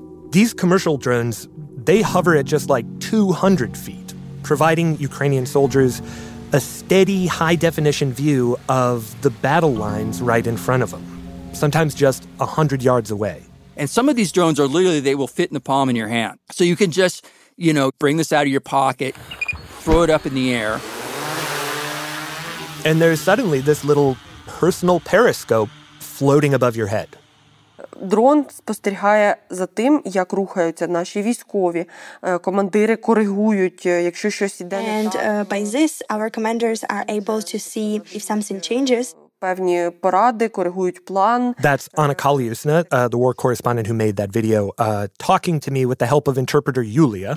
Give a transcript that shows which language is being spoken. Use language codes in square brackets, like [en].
[en] These commercial drones, they hover at just like 200 feet, providing Ukrainian soldiers a steady, high-definition view of the battle lines right in front of them, sometimes just 100 yards away. And some of these drones are literally, they will fit in the palm in your hand. So you can just, you know, bring this out of your pocket, throw it up in the air. And there's suddenly this little personal periscope floating above your head. [uk] Дрон спостерігає за тим, як рухаються наші військові. Командири коригують, якщо щось іде не так. [en] And by this, our commanders are able to see if something changes. [uk] Певні поради коригують план. [en] That's Anna Kalyusna, the war correspondent who made that video, talking to me with the help of interpreter Yulia.